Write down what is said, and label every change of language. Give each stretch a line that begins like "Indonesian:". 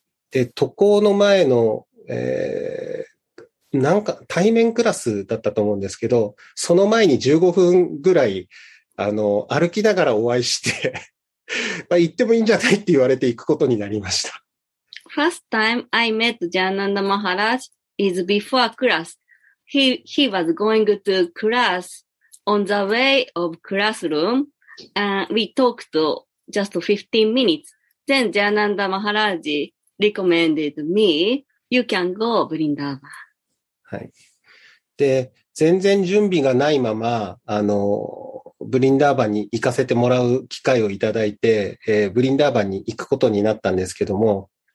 Japanese: で、渡航の前の、なんか対面クラスだったと思うんですけど、その前に15分ぐらい、歩きながらお会いして、まあ行ってもいいんじゃないって言われて行くことになりました。
English: First time I met Jayananda Maharaj is before class. He was going to class on the way of classroom. We talked just 15 minutes. Then Jayananda Maharaj recommended me, you can go, Vrindavan.
Japanese: はい。で、全然準備がないまま、ブリンダーバンに行かせてもらう機会をいただいて、ブリンダーバンに行くことになったんですけども、